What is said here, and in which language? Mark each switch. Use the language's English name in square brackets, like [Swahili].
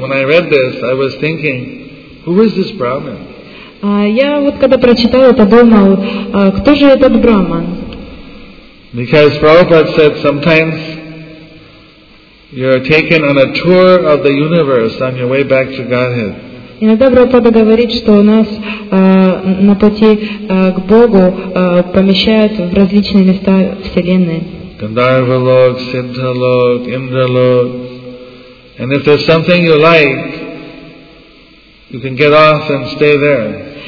[English] When I read this, I was thinking, who is this Brahman? [Russian] Я вот когда прочитал это, думал, кто же этот Брахман? [English] Because Prabhupada said sometimes you are taken on a tour of the universe on your way back to Godhead. [Russian] Иногда Прабхупада говорит, что у нас на пути к Богу помещают в различные места Вселенной. Гандхарва-лок, Синдха-лок, Индра-лок. [English] And if there's something you like, you can get off and stay there.